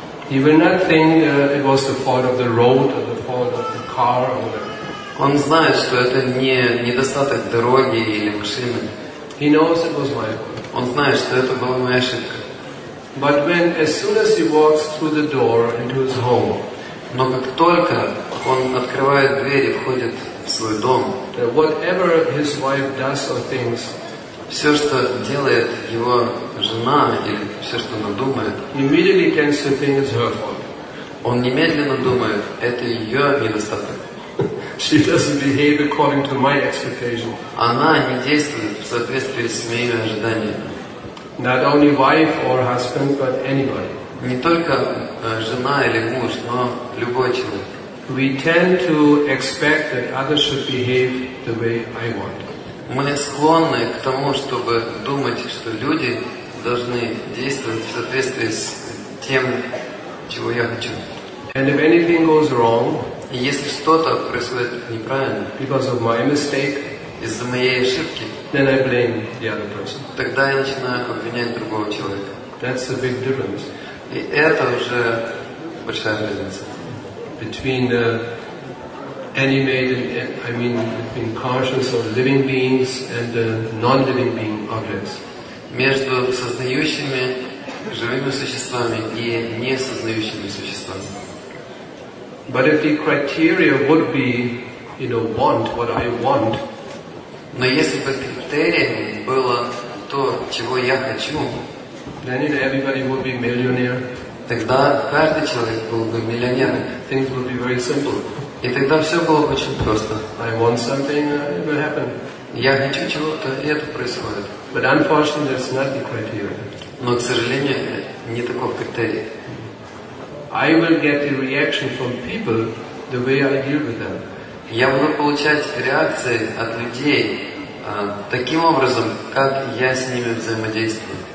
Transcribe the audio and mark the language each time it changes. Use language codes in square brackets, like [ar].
[en] He will not think it was the fault of the road, or the fault of the car, or the... [ru] Он знает, что это не недостаток дороги или машины. [en] He knows it was my fault. [ru] Он знает, что это была моя ошибка. [en] But when, as soon as he walks through the door into his home, [ru] но как только он открывает дверь и входит в свой дом, [en] whatever his wife does or thinks, [ru] все, что делает его жена или все, что она думает, [en] immediately tends to think it's her fault. [ru] он немедленно думает, это ее недостаток. [en] She doesn't behave according to my expectation. [ru] Она не действует в соответствии с моими ожиданиями. [en] Not only wife or husband, but anybody. [ru] Не только жена или муж, но любой человек. [en] We tend to expect that others should behave the way I want. [ru] Мы склонны к тому, чтобы думать, что люди должны действовать в соответствии с тем, чего я хочу. [en] And if anything goes wrong, [ru] и если что-то происходит неправильно, [en] because of my mistake, [ru] из-за моей ошибки, [en] then I blame the other person. [ru] Тогда я начинаю обвинять другого человека. [en] That's a big difference. [ru] И это уже большая разница. [en] Between the animated, I mean, between conscious or living beings and the non-living being objects. [ru] Между сознающими живыми существами и несознающими существами. [en] But if the criteria would be, you know, want what I want. [ru] Но если бы критерием было то, чего я хочу. [en] Then everybody would be millionaire. [ru] Тогда каждый человек был бы миллионером. [en] Things would be very simple. [ru] И тогда все было бы очень просто. [en] I want something, it will happen. [ru] Я хочу чего-то, и это происходит. [en] But unfortunately, that's not the criteria. [ru] Но, к сожалению, не такой критерий. [en] I will get the reaction from people the way I deal with them. [ru] Я буду получать реакции от людей таким образом, как я с ними взаимодействую.